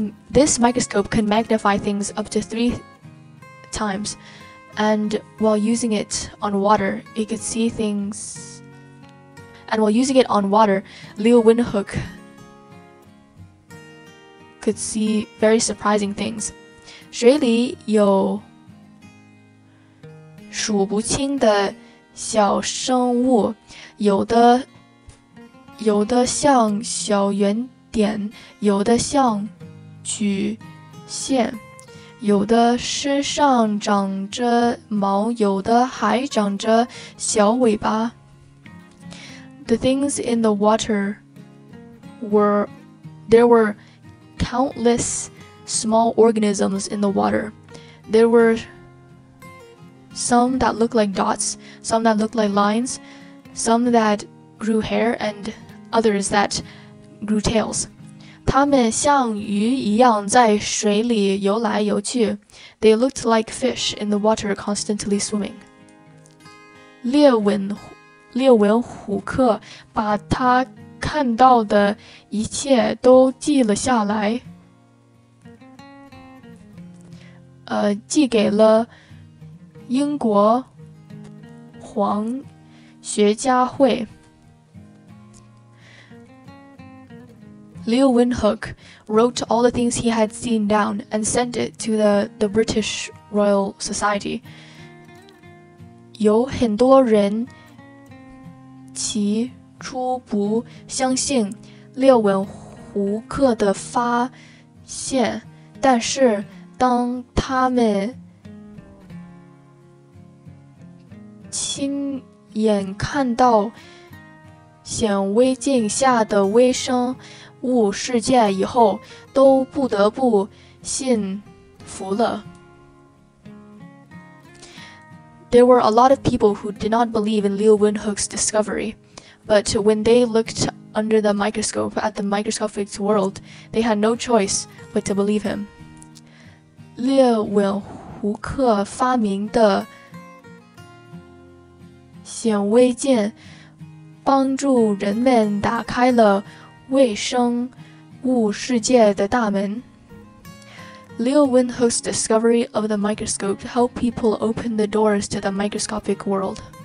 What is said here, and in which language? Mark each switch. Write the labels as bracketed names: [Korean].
[English] This microscope could magnify things up to 3 times, and while using it on water, it could see things. And while using it on water, Leeuwen Hoek could see very surprising things. [Chinese] 水里有数不清的小生物，有的像小圆点，有的像曲线，有的身上长着毛，有的还长着小尾巴。 [English] The things in the water were countless small organisms in the water. There were some that looked like dots, some that looked like lines, some that grew hair, and others that grew tails. [Chinese] 它们像鱼一样在水里游来游去。 [English] They looked like fish in the water constantly swimming. [Chinese] 列文虎克把他看到的一切都记了下来，寄给了英国皇学家会。 [English] Leeuwen Hoek wrote all the things he had seen down and sent it to the British Royal Society. [Chinese] 有很多人起初不相信列文胡克的发现，但是当他们亲眼看到显微镜下的微生物世界以后，都不得不信服了。 [English] There were a lot of people who did not believe in Leeuwen Hoek's discovery, but when they looked under the microscope at the microscopic world, they had no choice but to believe him. [Chinese] 列文胡克发明的显微镜帮助人们打开了卫生物世界的大门。 [English] Leo Winhook's discovery of the microscope helped people open the doors to the microscopic world.